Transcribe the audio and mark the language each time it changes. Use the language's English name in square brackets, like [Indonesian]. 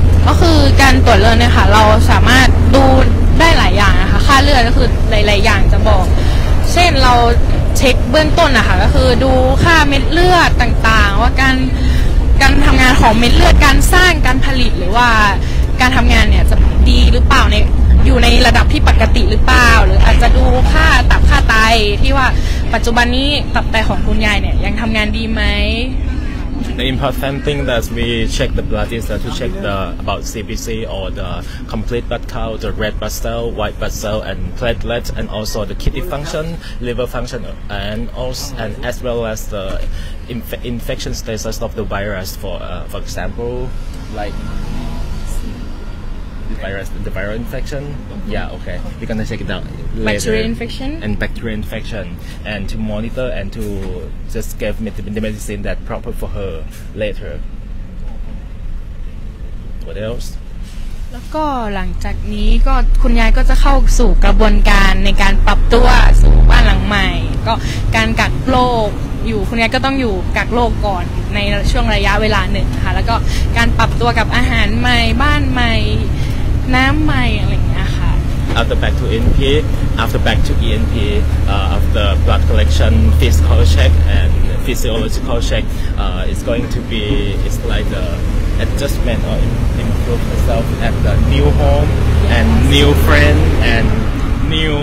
[Thai] คือการตรวจเลือดเนี่ยค่ะเราสามารถดูได้หลายอย่างนะคะค่าเลือดก็คือหลายๆอย่างจะบอกเช่นเราเช็คเบื้องต้นนะคะก็คือดูค่าเม็ดเลือดต่างๆว่าการทำงานของเม็ดเลือดการสร้างการผลิตหรือว่าการทำงานเนี่ยจะดีหรือเปล่าในอยู่ในระดับที่ปกติหรือเปล่าหรืออาจจะดูค่าตับค่าไตที่ว่าปัจจุบันนี้ตับไตของคุณยายเนี่ยยังทำงานดีไหม [English] The important thing that we check the blood is to check the about CBC or the complete blood count, the red blood cell, white blood cell, and platelets, and also the kidney function, liver function, and also and as well as the infection status of the virus. For example, like. The viral infection, yeah, okay. We're gonna check it out later. Bacterial infection, and to monitor and to just give the medicine that proper for her later. What else? [Thai] แล้วก็หลังจากนี้ก็คุณยายก็จะเข้าสู่กระบวนการในการปรับตัวสู่บ้านหลังใหม่ก็การกักโรคอยู่คุณยายก็ต้องอยู่กักโรคก่อนในช่วงระยะเวลาหนึ่งค่ะแล้วก็การปรับตัวกับอาหารใหม่บ้านใหม่น้ำใหม่อะไรอย่างเงี้ยค่ะ [English] After back to ENP, after blood collection, physical check and physiological check, it's going to be it's like the adjustment or improve yourself at the new home and new friend and new